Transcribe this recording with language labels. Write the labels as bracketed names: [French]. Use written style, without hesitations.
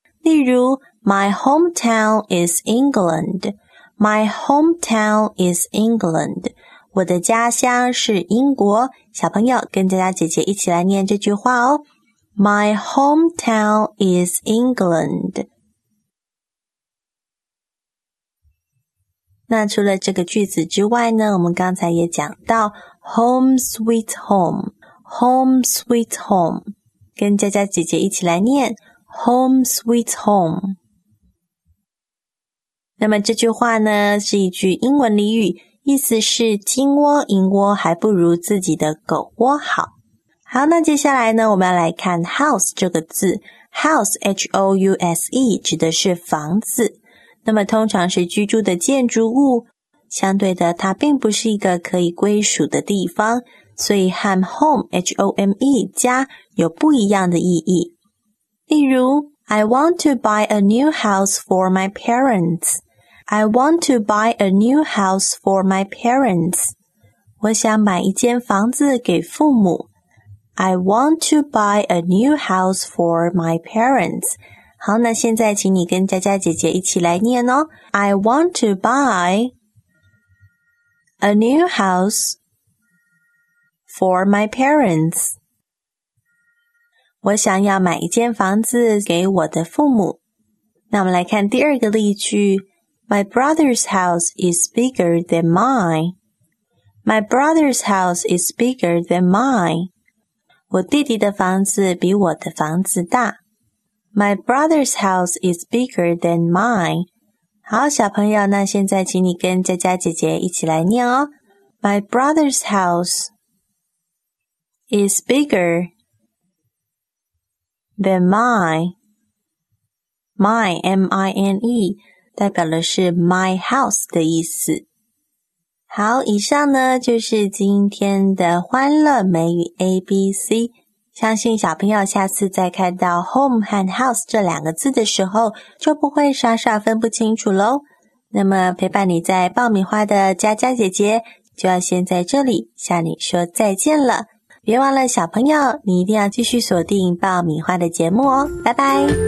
[English] 例如 My hometown is England. My hometown is England. 我的家乡是英国。 [Chinese] 小朋友跟佳佳姐姐一起来念这句话哦。 My hometown is England. 那除了这个句子之外呢，我们刚才也讲到 home sweet home, home sweet home, 跟佳佳姐姐一起来念 home sweet home。那么这句话呢是一句英文俚语，意思是金窝银窝还不如自己的狗窝好。好，那接下来呢我们要来看 house 这个字。house, H-O-U-S-E, 指的是房子，那么通常是居住的建筑物，相对的它并不是一个可以归属的地方，所以和 home, H-O-M-E, 家有不一样的意义。 [English] 例如 I want to buy a new house for my parents. I want to buy a new house for my parents. [Chinese] 我想买一间房子给父母。 [English] I want to buy a new house for my parents. [Chinese] 好，那现在请你跟佳佳姐姐一起来念哦。 [English] I want to buy a new house for my parents. [Chinese] 我想要买一间房子给我的父母。那我们来看第二个例句。 [English] My brother's house is bigger than mine. My brother's house is bigger than mine. [Chinese] 我弟弟的房子比我的房子大。 [English] My brother's house is bigger than mine. [Chinese] 好，小朋友，那现在请你跟佳佳姐姐一起来念哦。 [English] My brother's house is bigger than mine. [Chinese] Mine, M-I-N-E, 代表的是 my house 的意思。好，以上呢，就是今天的欢乐美语 ABC。相信小朋友下次再看到 home 和 house 这两个字的时候，就不会傻傻分不清楚咯。那么陪伴你在爆米花的佳佳姐姐就要先在这里向你说再见了。别忘了小朋友，你一定要继续锁定爆米花的节目哦，拜拜。